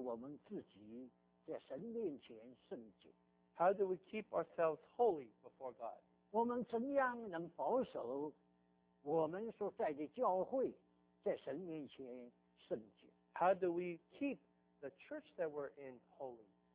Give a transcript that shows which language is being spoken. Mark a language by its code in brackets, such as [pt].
[zh] 我们怎样能保守我们自己在神面前圣洁? [en] How do we keep ourselves holy before God? [zh] 我们怎样能保守我们所在的教会在神面前圣洁? [en] How do we keep the church that we're in holy?